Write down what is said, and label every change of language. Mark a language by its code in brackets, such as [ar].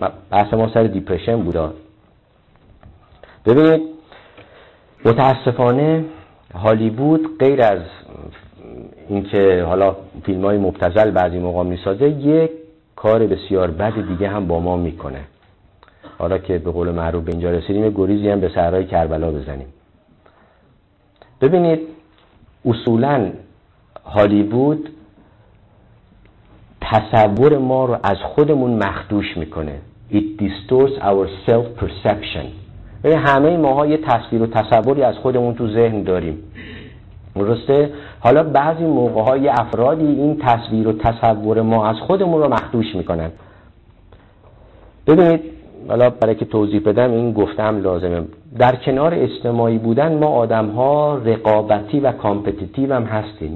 [fa] بحث ما سر دیپرشن بودا. ببینید متاسفانه هالیوود غیر از اینکه حالا فیلم‌های مبتذل بعضی موقع می‌سازه، یک کار بسیار بد دیگه هم با ما می‌کنه. حالا که به قول معروف اینجا رسیدیم گریزی هم به صحرای کربلا بزنیم. ببینید اصولاً هالیوود تصور ما رو از خودمون مخدوش می‌کنه. [en] It distorts our self-perception. [fa] یعنی همه ما ها یه تصویر و تصوری از خودمون تو ذهن داریم، درسته؟ حالا بعضی موقع های افرادی این تصویر و تصور ما از خودمون رو مخدوش میکنن. ببینید حالا برای که توضیح بدم این گفتم لازمه، در کنار اجتماعی بودن ما آدم ها رقابتی و کامپتیتیو هم هستیم.